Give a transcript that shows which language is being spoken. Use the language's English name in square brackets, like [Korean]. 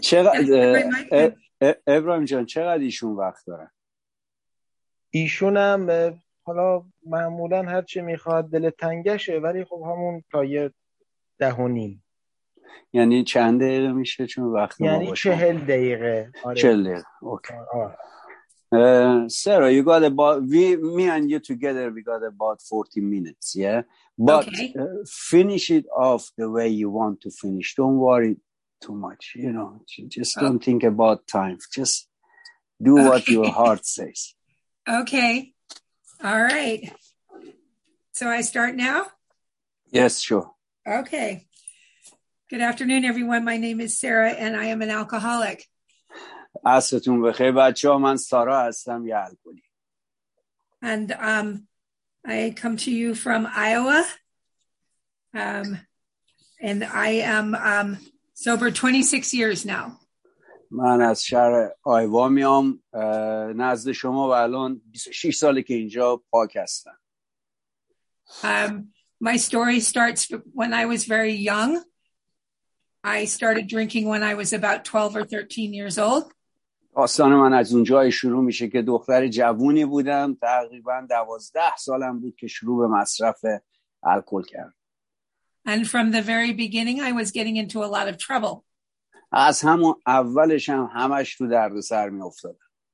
[Persian] چقدر ابراهیم جان چقدر ایشون وقت داره؟ ایشون هم حالا معمولا هر چی میخواد دل تنگشه، ولی خب همون تا یه ده و نیم. یعنی چند دقیقه میشه چون وقت ما باشه؟ یعنی 40 دقیقه. آره 40 دقیقه. [English] Sara, you got about me and you together we got about 40 minutes, yeah, but okay. Finish it off the way you want to finish. Don't worry too much, you know, just don't think about time, just do okay. What your heart says. Okay, all right, so I start now? Yes, sure. Okay, good afternoon everyone, my name is Sarah and I am an alcoholic. [Persian] عصرتون بخیر بچه ها، من سارا هستم، یه الکلی. [English] And I come to you from Iowa. And I am sober 26 years now. [Persian] من از شهر آیوا میام، نزد شما، و الان 26 ساله که اینجا پاک هستم. [English] My story starts when I was very young. I started drinking when I was about 12 or 13 years old. [Persian] داستان من از اونجای شروع میشه که دختر جوونی بودم، تقریبا 12 سالم بود که شروع به مصرف الکل کردم. [English] And from the very beginning I was getting into a lot of trouble. [Persian] از همون اولش هم همش تو دردسر می افتادم.